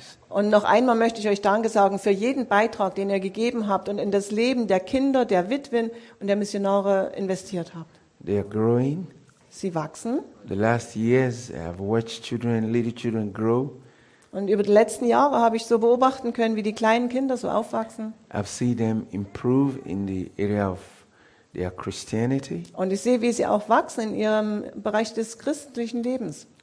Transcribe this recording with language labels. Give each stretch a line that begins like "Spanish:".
German: Und noch einmal möchte ich euch Danke sagen für jeden Beitrag, den ihr gegeben habt und in das Leben der Kinder, der Witwen und der Missionare investiert habt.
English: They are growing.
German: Sie wachsen.
English: The last years I have watched children, little children grow.
German: Und über die letzten Jahre habe ich so beobachten können, wie die kleinen Kinder so aufwachsen.
English: I've seen them improve in the area of their Christianity.
German: Und ich sehe, wie sie auch wachsen in ihrem Bereich des christlichen Lebens.